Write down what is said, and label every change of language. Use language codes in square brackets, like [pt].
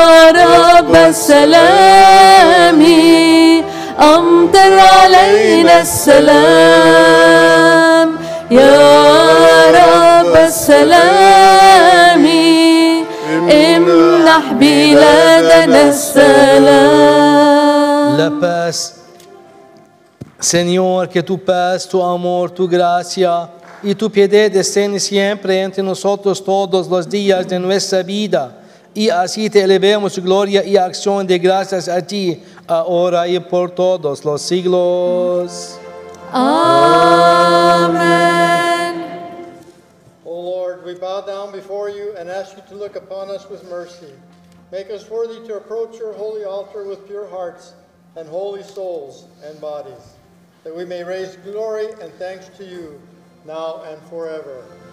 [ar] رب سلامي أمطر علينا السلام يا رب سلامي امنح بلادنا السلام [es] La paz Señor que tu paz tu amor tu gracia y tu piedad estén siempre entre nosotros todos los días de nuestra vida y así te elevemos gloria y acción de gracias a ti ahora y por todos los siglos [en] Amen. O Lord, we bow down before you and ask you to look upon us with mercy. Make us worthy to approach your holy altar with pure hearts and holy souls and bodies, that we may raise glory and thanks to you now and forever.